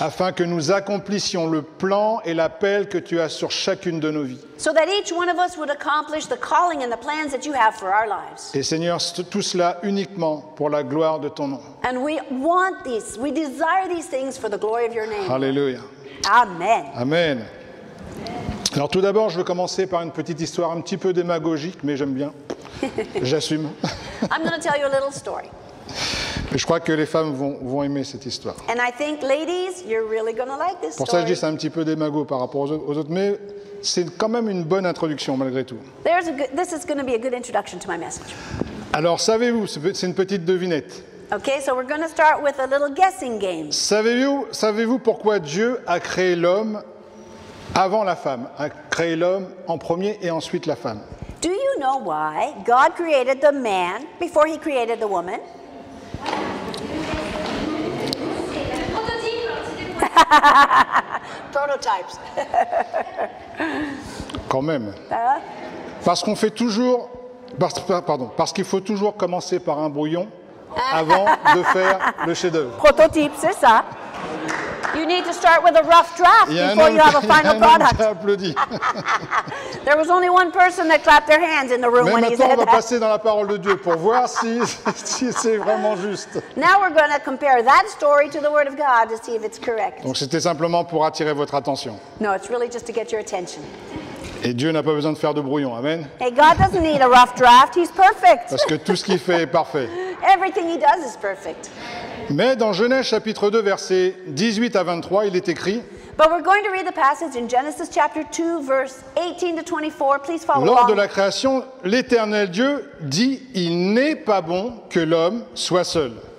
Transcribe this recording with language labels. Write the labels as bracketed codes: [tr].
[fr] Afin que nous accomplissions le plan et l'appel que tu as sur chacune de nos vies. [en] So that each one of us would accomplish the calling and the plans that you have for our lives. [fr] Et Seigneur, tout cela uniquement pour la gloire de ton nom. [en] And we want these, we desire these things for the glory of your name. [fr] Alléluia. Amen. Amen. Alors tout d'abord, je veux commencer par une petite histoire un petit peu démagogique, mais j'aime bien. J'assume. [en] I'm going to tell you a little story. [fr] Mais je crois que les femmes vont aimer cette histoire. [en] And I think, ladies, you're really going to like this story. [fr] Pour ça, je dis c'est un petit peu démago par rapport aux autres, mais c'est quand même une bonne introduction malgré tout. [en] This is going to be a good introduction to my message. [fr] Alors savez-vous, c'est une petite devinette. [en] Okay, so we're going to start with a little guessing game. [fr] Savez-vous pourquoi Dieu a créé l'homme? Avant la femme, a créé l'homme en premier et ensuite la femme. [en] Do you know why God created the man before he created the woman? Prototypes. [fr] Quand même. Parce qu'on fait toujours, parce qu'il faut toujours commencer par un brouillon avant de faire le chef-d'œuvre. Prototype, c'est ça. [en] You need to start with a rough draft before you have a final product. There was only one person that clapped their hands in the room when he said that. [fr] Maintenant, on va passer dans la parole de Dieu pour voir si c'est vraiment juste. [en] Now we're going to compare that story to the Word of God to see if it's correct. [fr] Donc c'était simplement pour attirer votre attention. [en] No, it's really just to get your attention. [fr] Et Dieu n'a pas besoin de faire de brouillon. Amen. [en] Hey, God doesn't need a rough draft. He's perfect. [fr] Parce que tout ce qu'il fait est parfait. [en] Everything he does is perfect. [fr] Mais dans Genèse chapitre 2, versets 18 à 23, il est écrit: [en] But we're going to read the passage in Genesis chapter 2, verse 18 to 24. Please follow along. [fr] Lors de la création, l'Éternel Dieu dit, il n'est pas bon que l'homme soit seul.